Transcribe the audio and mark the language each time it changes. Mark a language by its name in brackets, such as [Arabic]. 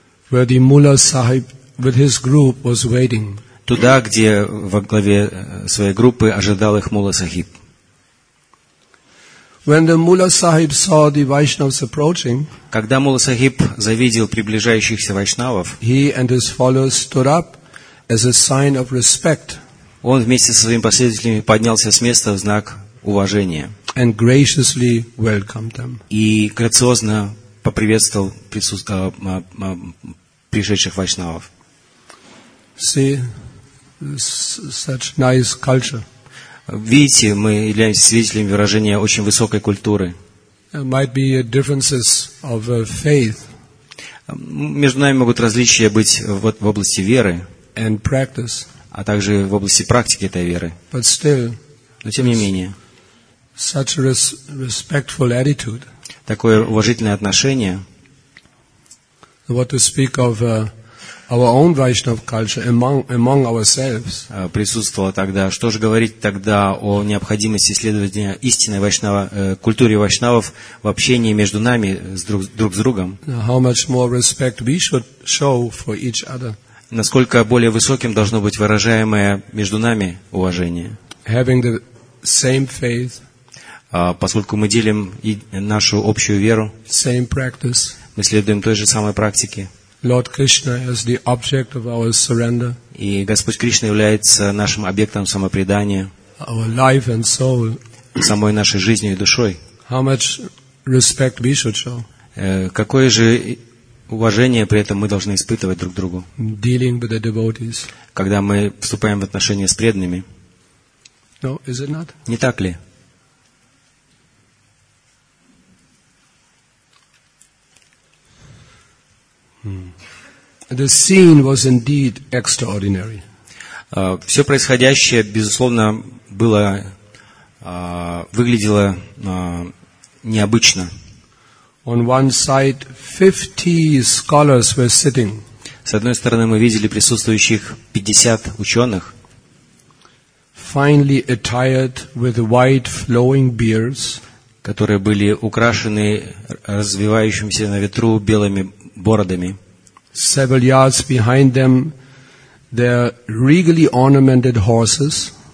[English] Where the Mula Sahib with his group was waiting. [Russian] Туда, где во главе своей группы ожидал их Мула Сахиб. [English] When the Mula Sahib saw the Vaishnavas approaching, [Russian] когда Мула Сахиб завидел приближающихся вайшнавов, [English] he and his followers stood up as a sign of respect. [Russian] Он вместе со своими последователями поднялся с места в знак уважения. [English] And graciously welcomed them. [Russian] И грациозно поприветствовал пришедших вайшнавов. [English] See, such nice culture. [Russian] Видите, мы являемся свидетелями выражения очень высокой культуры. Между нами могут различия быть вот в области веры, а также в области практики этой веры. Но тем не менее, такое уважительное отношение. [English] What to speak of our own Vaishnav culture among ourselves. [Russian] Присутствовало тогда. Что же говорить тогда о необходимости исследования истинной вайшнава культуры вайшнавов в общении между нами друг с другом? [English] How much more respect we should show for each other? [Russian] Насколько более высоким должно быть выражаемое между нами уважение? [English] Having the same faith. [Russian] Поскольку мы делим нашу общую веру. [English] Same practice. [Russian] Мы следуем той же самой практике. [English] Lord Krishna as the object of our surrender. [Russian] И Господь Кришна является нашим объектом самопредания. [English] Our life and soul. [Russian] Самой нашей жизнью и душой. [English] How much respect we should show. [Russian] Какое же уважение при этом мы должны испытывать друг другу? [English] Dealing with the devotees. [Russian] Когда мы вступаем в отношения с преданными. [English] No, is it not? [Russian] Не так ли? [English] The scene was indeed extraordinary. [Russian] Все происходящее, безусловно, было выглядело необычно. [English] On one side, 50 scholars were sitting. [Russian] С одной стороны, мы видели присутствующих 50 ученых. [English] Finely attired with white flowing beards, [Russian] которые были украшены развивающимися на ветру белыми бородами. [English] Several yards behind them, their regally ornamented horses.